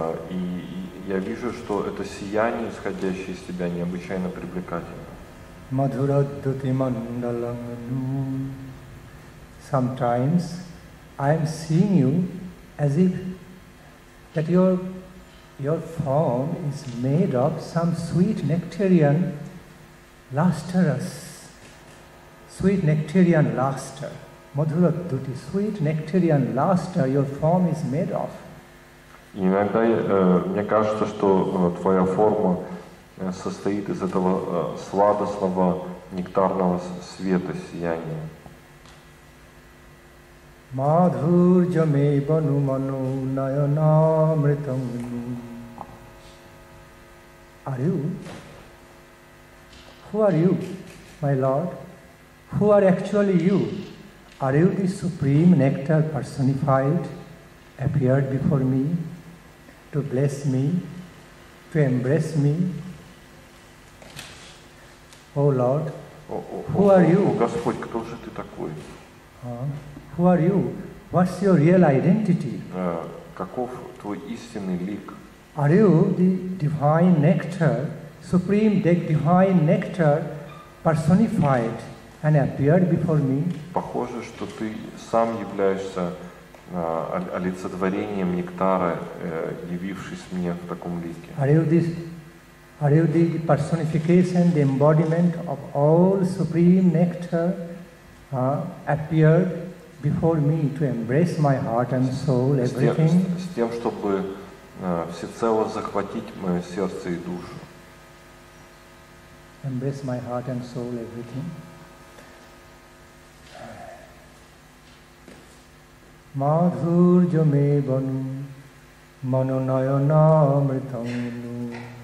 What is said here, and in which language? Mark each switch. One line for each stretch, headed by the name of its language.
Russian: И я вижу, что это сияние, исходящее из тебя, необычайно привлекательно.
Sanskrit: Мадхураддути мандалану.
English: Sometimes I am seeing you as if that your form is made of some sweet nectarian lustrous. Sweet nectarian luster. Madhura duti, sweet nectarian luster your form is made of.
Russian: Иногда мне кажется, что твоя форма состоит из этого сладостного нектарного света, сияния.
Sanskrit: Madhurja me banu manu nayanamritam.
English: Are you? Who are you, my Lord? Who are actually you? Are you the supreme nectar personified, appeared before me to bless me, to embrace me? Oh Lord, who are you?
Russian: О Господь, кто же ты такой?
English: Who are you? What's your real identity?
Russian: Каков твой истинный лик?
English: Are you the divine nectar, supreme divine nectar personified and appeared before me?
Russian: Похоже, что ты сам являешься олицетворением нектара, явившись мне в таком лике.
English: Are you the personification, the embodiment of all supreme nectar appeared before me to embrace my heart and soul, everything?
Russian: С тем, чтобы всецело захватить мое сердце и душу.
English: Embrace my heart and soul, everything.
Sanskrit: Madhurya me banu, mano nayana amritamu.